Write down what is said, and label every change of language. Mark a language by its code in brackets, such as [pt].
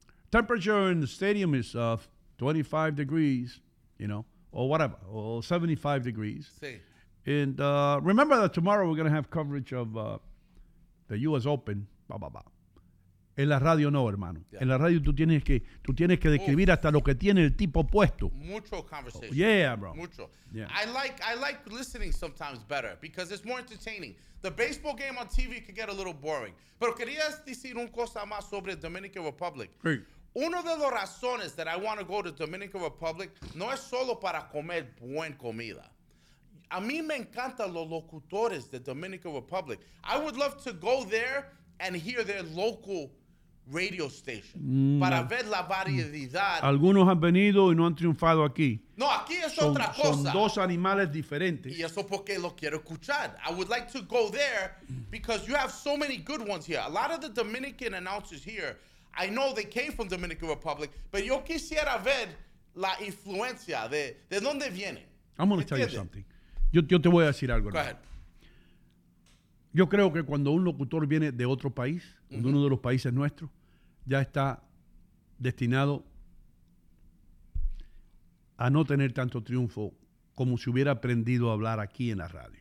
[en] Temperature in the stadium is of 25 degrees, you know. Or whatever, or 75 degrees. [es] Sí. [en] And remember that tomorrow we're going to have coverage of the U.S. [es] Open. Bah, bah, bah. En la radio no, hermano. [en] Yeah. [es] En la radio tú tienes que describir hasta lo que tiene el tipo puesto. Mucho conversation. [en] Oh, yeah, bro. [es] Mucho. [en] Yeah. I like listening sometimes better because it's more entertaining. The baseball game on TV can get a little boring. [es] Pero querías decir un cosa más sobre Dominican Republic. Sí. Una de las razones [en] that I want to go to Dominican Republic [es] no es solo para comer buen comida. A mí me encantan los locutores de Dominican Republic. [en] I would love to go there and hear their local radio station [es] para ver la variedad. Algunos han venido y no han triunfado aquí. No, aquí es otra cosa. Son dos animales diferentes. Y eso porque lo quiero escuchar. [en] I would like to go there because you have so many good ones here. A lot of the Dominican announcers here, I know they came from Dominican Republic, but [es] yo quisiera ver la influencia de dónde viene. [en] I'm going to tell you something. [es] Yo te voy a decir algo. [en] Go ahead. [es] Yo creo que cuando un locutor viene de otro país, mm-hmm. de uno de los países nuestros, ya está destinado a no tener tanto triunfo como si hubiera aprendido a hablar aquí en la radio.